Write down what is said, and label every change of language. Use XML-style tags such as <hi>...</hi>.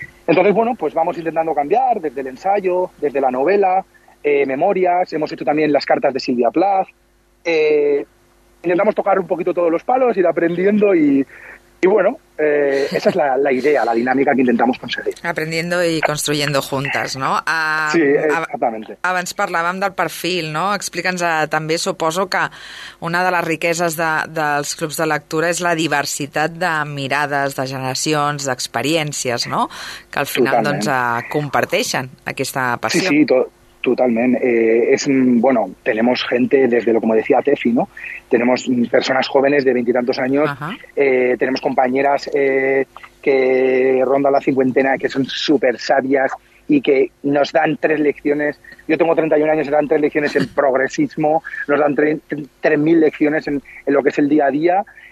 <es>Entonces, bueno, pues vamos intentando cambiar desde el ensayo, desde la novela, memorias, hemos hecho también las cartas de Silvia Plath, intentamos tocar un poquito todos los palos, ir aprendiendo y bueno, esa es la idea, la dinámica que intentamos conseguir. Aprendiendo y construyendo juntas, ¿no? Sí, exactamente.</es> <ca>Abans parlàvem del perfil, ¿no? Explica'ns també, suposo que una de les riqueses dels clubs de lectura és la diversitat de mirades, de generacions, d'experiències, ¿no? Que al final, totalment, doncs, comparteixen aquesta passió. Sí, totalment.</ca> <es>Bueno, tenemos gente desde lo, como decía Tefi, ¿no? Tenemos personas jóvenes de veintitantos años, tenemos compañeras que rondan la cincuentena, que son súper sabias y que nos dan tres lecciones. Yo tengo 31 años, se dan tres lecciones en progresismo, nos dan 3.000 lecciones en lo que es el día a día.</es>